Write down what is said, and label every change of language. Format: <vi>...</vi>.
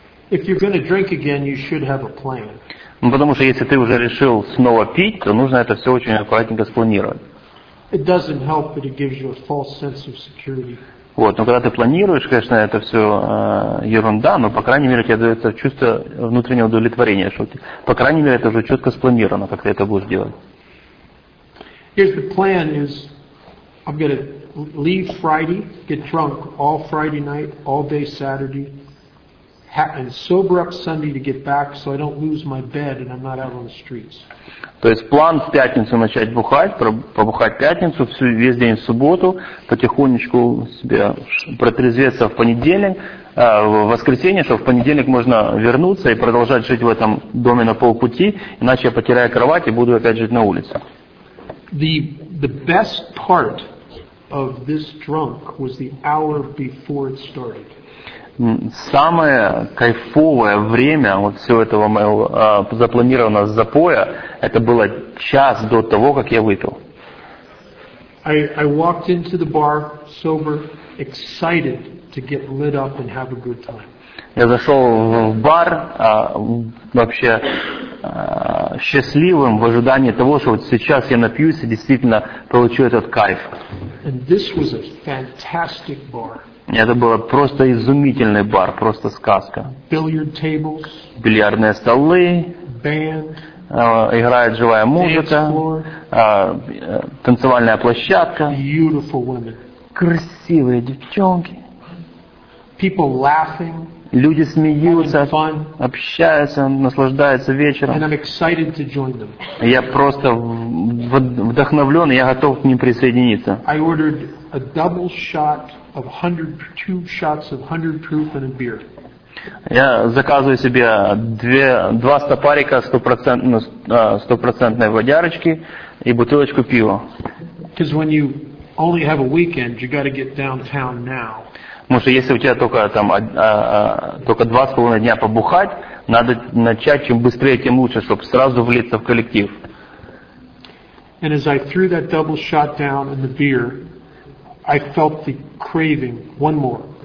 <en>If you're going to drink again, you should have a plan.</en> <ru>Ну, потому что если ты уже решил снова пить, то нужно это все очень аккуратненько спланировать.</ru> <en>It doesn't help, but it gives you a false sense of security.</en> <ru>Вот, но когда ты планируешь, конечно, это все ерунда, но по крайней мере тебе дается чувство внутреннего удовлетворения, что по крайней мере это уже четко спланировано, как ты это будешь делать.</ru> <en>Here's the plan: is I'm going to leave Friday, get drunk all Friday night, all day Saturday, and sober up Sunday to get back so I don't lose my bed and I'm not out on the streets.</en> <ru>То есть план в пятницу начать бухать, побухать пятницу, весь день в субботу, потихонечку себе протрезветься в понедельник, в воскресенье, чтобы в понедельник можно вернуться и продолжать жить в этом доме на полпути, иначе я потеряю кровать и буду опять жить на улице.</ru> <en>The best part of this drunk was the hour before it started.</en> <ru>Самое кайфовое время вот всего этого моего запланированного запоя, это было час до того, как я выпил.</ru> <en>I walked into the bar sober, excited to get lit up and have a good time.</en> <ru>Я зашел в бар вообще счастливым в ожидании того, что вот сейчас я напьюсь и действительно получу этот кайф.</ru> <en>And this was a fantastic bar.</en> <ru>Это был просто изумительный бар, просто сказка.</ru> <en>Billiard tables,</en> <ru>бильярдные столы,</ru> <en>band,</en> <ru>играет живая музыка, танцевальная площадка,</ru> <en>beautiful women,</en> <ru>красивые девчонки,</ru> <en>people laughing,</en> <ru>люди смеются, общаются, наслаждаются вечером.</ru> <en>And I'm excited to join them.</en> <ru>Я просто вдохновлен, я готов к ним присоединиться.</ru> <en>I ordered a double shot of 102 shots of 100 proof and a beer.</en> <ru>Я заказываю себе два стопарика 100% водярочки и бутылочку пива.</ru> <en>Because when you only have a weekend, you got to get downtown now.</en> <ru>Потому что если у тебя только там только 2.5 дня побухать, надо начать чем быстрее, тем лучше, чтобы сразу влиться в коллектив.</ru> <en>And as I threw that double shot down in the beer, I felt the craving one more.</en>